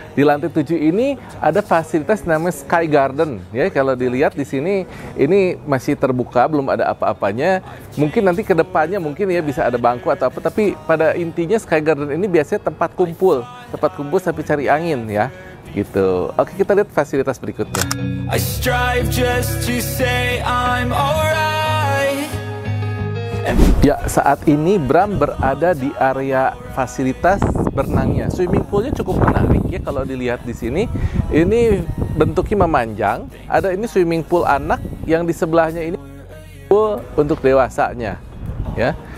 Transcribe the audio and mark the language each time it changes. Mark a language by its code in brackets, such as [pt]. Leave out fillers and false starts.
[id] Di lantai 7 ini ada fasilitas namanya Sky Garden. Ya, kalau dilihat di sini ini masih terbuka, belum ada apa-apanya. Mungkin nanti ke depannya mungkin ya bisa ada bangku atau apa, tapi pada intinya Sky Garden ini biasanya tempat kumpul. Tempat kumpul sampai cari angin ya. Gitu. Oke, kita lihat fasilitas berikutnya. [en] I strive just to say I'm alright. [id] Ya, saat ini Bram berada di area fasilitas berenangnya. Swimming poolnya cukup menarik ya kalau dilihat di sini. Ini bentuknya memanjang. Ada ini swimming pool anak, yang di sebelahnya ini pool untuk dewasanya. Ya.